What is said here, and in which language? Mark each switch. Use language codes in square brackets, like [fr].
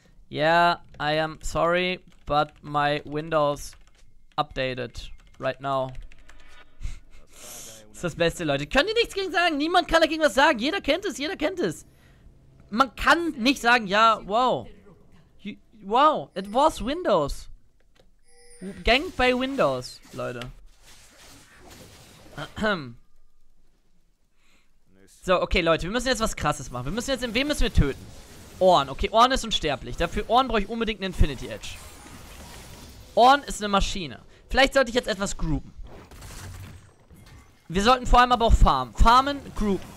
[en] Yeah, I am sorry, but my Windows updated right now. [de] Das ist das Beste, Leute. Können die nichts gegen sagen? Niemand kann dagegen was sagen. Jeder kennt es. Man kann nicht sagen, ja, wow. [en] Wow, it was Windows. Ganked by Windows, [de] Leute. So, okay, Leute, wir müssen jetzt was Krasses machen. Wir müssen jetzt, in wen müssen wir töten? Ohren, okay, Ohren ist unsterblich. Dafür Ohren brauche ich unbedingt einen Infinity Edge. Ohren ist eine Maschine. Vielleicht sollte ich jetzt etwas grouben. Wir sollten vor allem aber auch farmen. Farmen, grouben.